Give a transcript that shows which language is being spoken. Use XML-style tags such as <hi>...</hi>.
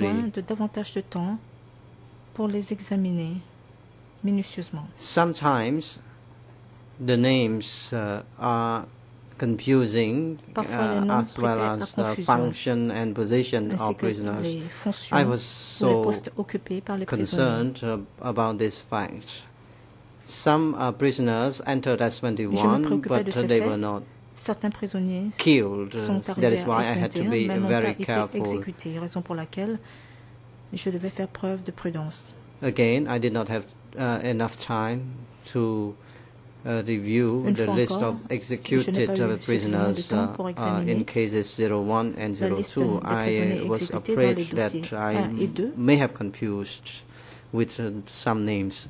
<fr>J'avais besoin de davantage de temps pour les examiner. minutieusement.</fr> <en>Sometimes the names are confusing, as well as the function and position of prisoners. I was so concerned about this fact. Some prisoners entered S21, but they were not</en> <fr>certains prisonniers</fr> <en>killed. That is why I had to be very careful.</en> <fr>Exécutés, raison pour laquelle je devais faire preuve de prudence.</fr> <en>Again, I did not have enough time to review the list of executed prisoners in cases 01 and 02. I was afraid that I may have confused with some names.</en>